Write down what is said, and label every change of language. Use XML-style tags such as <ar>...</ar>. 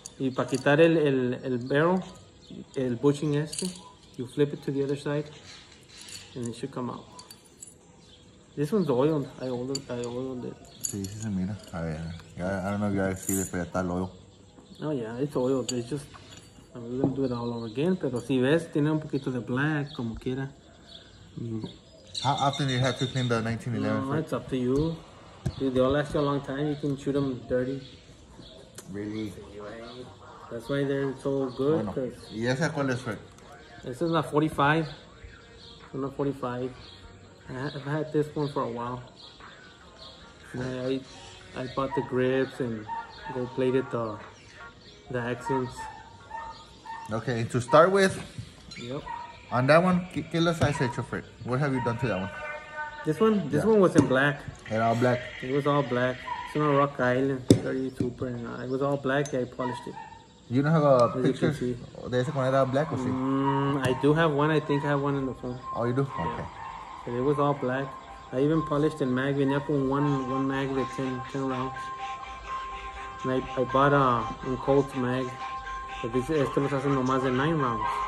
<es>Y para quitar el barrel, el bushing este,</es> <en>you flip it to the other side, and it should come out. This one's oiled. I oiled it.</en> <es>Sí, sí se mira. A ver,</es> <en>I don't know if you guys see this,</en> <es>pero está el oil.</es> <en>Oh yeah, it's oiled. It's just, I'm going to do it all over again.</en> <es>Pero si ves, tiene un poquito de black, como quiera.</es> <en>How often do you have to clean the 1911? No, it's up to you. Dude, they all last you a long time. You can shoot them dirty. Really? That's why they're so good.</en> <es>Bueno, ¿y esa cuál es, Fred?</es> <en>This is a 45. It's a 45. I've had this one for a while. I bought the grips and gold plated the accents. Okay, to start with. Yep. On that one,</en> <es>¿qué los has hecho, Fred?</es> <en>What have you done to that one? This one was in black. And all black. It was all black. It's on a Rock Island 32 print. It was all black. I polished it. You don't have a picture</en> <es>de ese cuando era</es> <en>black, or sí? I do have one. I think I have one in the phone. Oh, you do? Okay. Yeah. But it was all black. I even polished in mag.</en> <es>Venía con</es> <en>one mag that's in 10 rounds. And I bought a Colt mag.</en> <es>But este lo está haciendo más de 9 rounds.</es>